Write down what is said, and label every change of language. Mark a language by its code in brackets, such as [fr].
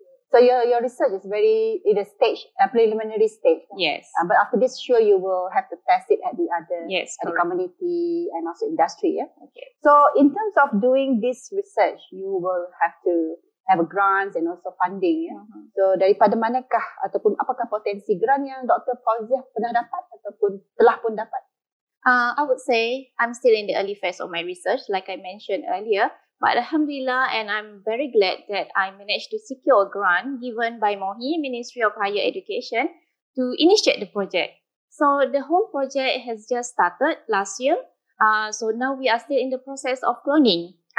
[en] So your research is very in a stage, a preliminary stage. Yes. But after this, sure you will have to test it at the other yes, at the community and also industry. Yeah. Okay. So in terms of doing this research, you will have to have a grants and also funding. Yeah? Mm-hmm. [ms] So, daripada manakah ataupun apakah potensi grant yang Dr. Fauziah pernah dapat ataupun telah pun dapat? [en] I would say I'm still in the early phase of my research, like I mentioned earlier. But Alhamdulillah, and I'm very glad that I managed to secure a grant given by MOHI, Ministry of Higher Education, to initiate the project. So, the whole project has just started last year. So, now we are still in the process of cloning.